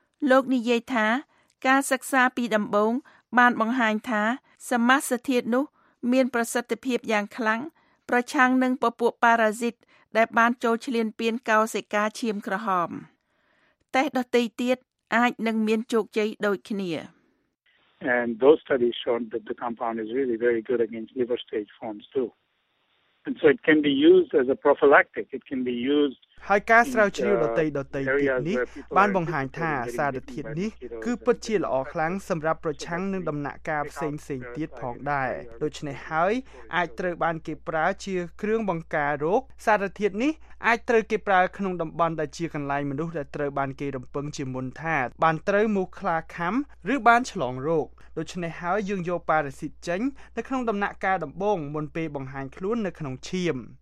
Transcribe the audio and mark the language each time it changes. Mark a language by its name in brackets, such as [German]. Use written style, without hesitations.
[Khmer] លោកនិយាយថាការសិក្សាពីដំបូងបានបង្ហាញថាសមាសធាតុនោះមានប្រសិទ្ធភាពយ៉ាងខ្លាំងប្រឆាំងនឹងពពួកប៉ារ៉ាស៊ីតដែលបានចូលឈ្លានពានកោសិកាឈាមក្រហមតេស្តដទៃទៀតអាចនឹងមានជោគជ័យដូចគ្នា [English] And those studies showed that the compound is really very good against liver stage forms too. And so it can be used as a prophylactic. It can be used. [Khmer] ហើយការស្រាវជ្រាវដតៃទៀតនេះបានបង្ហាញថាសារធាតុនេះគឺពិតជាល្អខ្លាំងសម្រាប់ប្រឆាំងនឹងដំណាក់កាលផ្សេងៗទៀតផងដែរដូច្នេះហើយអាចត្រូវបានគេប្រើជាគ្រឿងបង្ការរោគសារធាតុនេះអាចត្រូវគេប្រើក្នុងតំបន់ដែលជាកន្លែងមនុស្សដែលត្រូវបានគេរំពឹងជាមុនថាបានត្រូវមូសខ្លាខាំឬបានឆ្លងរោគដូច្នេះហើយយើងយកប៉ារ៉ាស៊ីតចេញនៅក្នុងដំណាក់កាលដំបូងមុនពេលបង្ហាញខ្លួននៅក្នុងឈាម